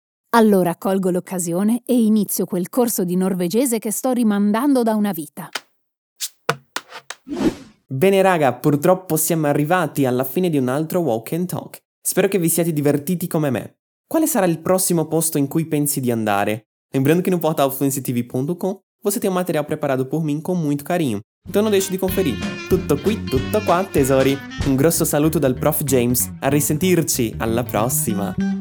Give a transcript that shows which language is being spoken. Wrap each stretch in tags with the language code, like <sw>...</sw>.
<it>Allora colgo l'occasione e inizio quel corso di norvegese che sto rimandando da una vita. Bene raga, purtroppo siamo arrivati alla fine di un altro Walk and Talk. Spero che vi siate divertiti come me. Quale sarà il prossimo posto in cui pensi di andare?</it> <pt>Lembrando che no portal fluencytv.com você tem um material preparado por mim com muito carinho. Então não deixe de conferir.</pt> <it>Tutto qui, tutto qua, tesori. Um grosso saluto dal Prof. James. A risentirci. Alla prossima.</it>